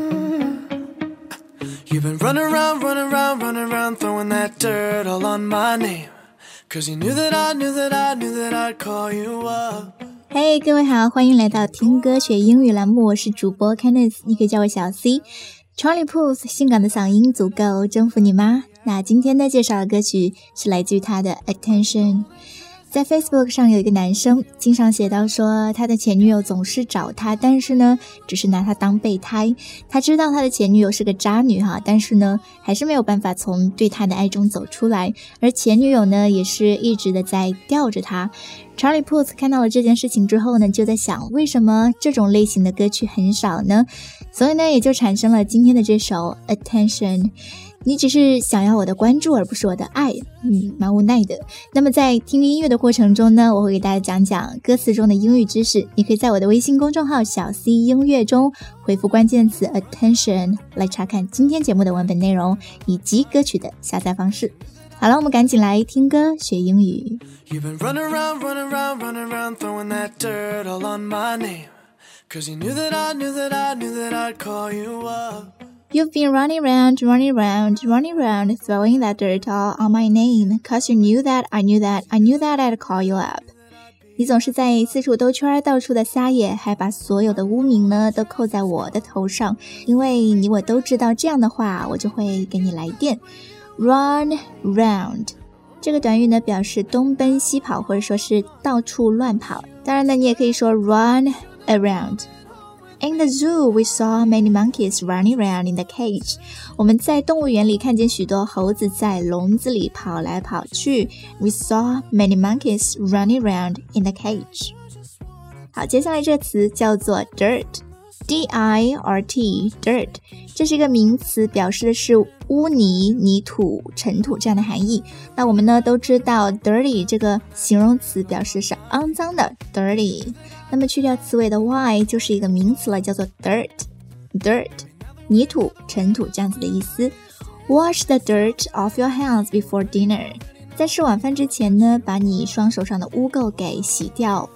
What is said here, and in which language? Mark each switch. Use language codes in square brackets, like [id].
[en] Run around, run around, run around, throwing that dirt all on my name. Cause you knew that I knew that I knew that I'd call you up. [zh] Hey, 各位好，欢迎来到听歌学英语栏目，我是主播 Candice， 你可以叫我小 C。 Charlie Puth 性感的嗓音足够征服你吗？那今天的介绍的歌曲是来自于他的 Attention。在 Facebook 上有一个男生经常写到说他的前女友总是找他，但是呢只是拿他当备胎。他知道他的前女友是个渣女哈，但是呢还是没有办法从对他的爱中走出来，而前女友呢也是一直的在吊着他。 Charlie Puth 看到了这件事情之后呢，就在想为什么这种类型的歌曲很少呢，所以呢也就产生了今天的这首 Attention。你只是想要我的关注而不是我的爱，蛮无奈的。那么在听音乐的过程中呢，我会给大家讲讲歌词中的英语知识，你可以在我的微信公众号小 C 音乐中回复关键词 Attention 来查看今天节目的文本内容以及歌曲的下载方式。好了，我们赶紧来听歌学英语。 [en] You've been running around, running around, running around, throwing that dirt all on my name. Cause you knew that I knew that I knew that I'd call you upYou've been running round, running round, running round, throwing that dirt all on my name, cause you knew that, I knew that, I knew that I'd call you up. [zh] 你总是在四处兜圈到处的撒野，还把所有的污名呢都扣在我的头上，因为你我都知道这样的话我就会给你来电。 [en] Run round. [zh] 这个短语呢表示东奔西跑或者说是到处乱跑。当然呢你也可以说 run around. [en] In the zoo, we saw many monkeys running around in the cage. [zh] 我们在动物园里看见许多猴子在笼子里跑来跑去。 [en] We saw many monkeys running around in the cage. [zh] 好，接下来这个词叫做 dirt. [en] D-I-R-T, dirt. [zh] 这是一个名词，表示的是污泥、泥土、尘土这样的含义。那我们呢都知道 dirty 这个形容词表示是肮脏的 dirty。那么去掉词尾的 y 就是一个名词了，叫做 dirt, dirt, 泥土、尘土这样子的意思。 [en] Wash the dirt off your hands before dinner. [zh] 在吃晚饭之前呢，把你双手上的污垢给洗掉。